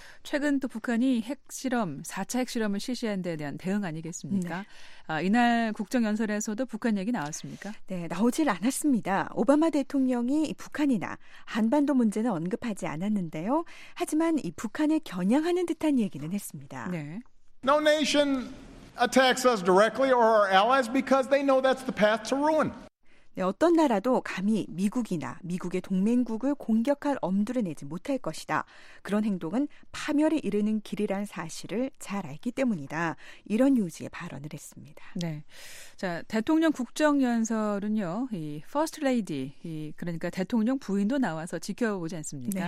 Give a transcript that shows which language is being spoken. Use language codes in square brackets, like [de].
[ko] 최근 또 북한이 핵실험, 4차 핵실험을 실시한 데 대한 대응 아니겠습니까? 네. 이날 국정연설에서도 북한 얘기 나왔습니까? 네, 나오질 않았습니다. 오바마 대통령이 북한이나 한반도 문제는 언급하지 않았는데요. 하지만 이 북한을 겨냥하는 듯한 얘기는 했습니다. 네. [en] No nation attacks us directly or our allies because they know that's the path to ruin. [ko] 네, 어떤 나라도 감히 미국이나 미국의 동맹국을 공격할 엄두를 내지 못할 것이다. 그런 행동은 파멸에 이르는 길이란 사실을 잘 알기 때문이다. 이런 요지의 발언을 했습니다. 네. 자, 대통령 국정연설은요, 이 퍼스트 레이디, 그러니까 대통령 부인도 나와서 지켜보지 않습니까?